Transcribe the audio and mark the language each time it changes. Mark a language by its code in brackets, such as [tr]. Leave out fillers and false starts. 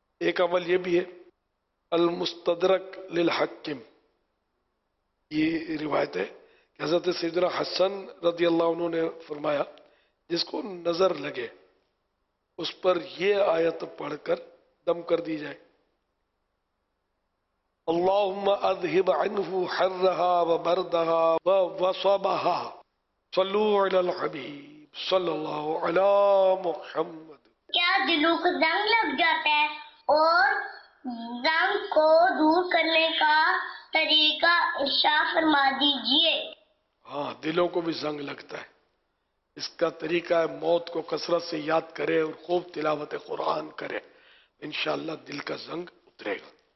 [ur] ایک عمل یہ بھی ہے، المستدرک للحکم، یہ روایت ہے کہ حضرت سیدنا حسن رضی اللہ عنہ نے فرمایا جس کو نظر لگے اس پر یہ آیت پڑھ کر دم کر دی جائے، [ar] اللهم اذهب عنه حرها وبردها وصبها. صلوا على الحبيب صلى الله على محمد. [ur] کیا دلوں کو زنگ لگ جاتا ہے اور زنگ کو دور کرنے کا طریقہ ارشاد فرما دیجئے. ہاں دلوں کو بھی زنگ لگتا ہے, اس کا طریقہ ہے موت کو کثرت سے یاد کرے اور خوب تلاوت قرآن کرے, انشاءاللہ دل کا زنگ اترے گا.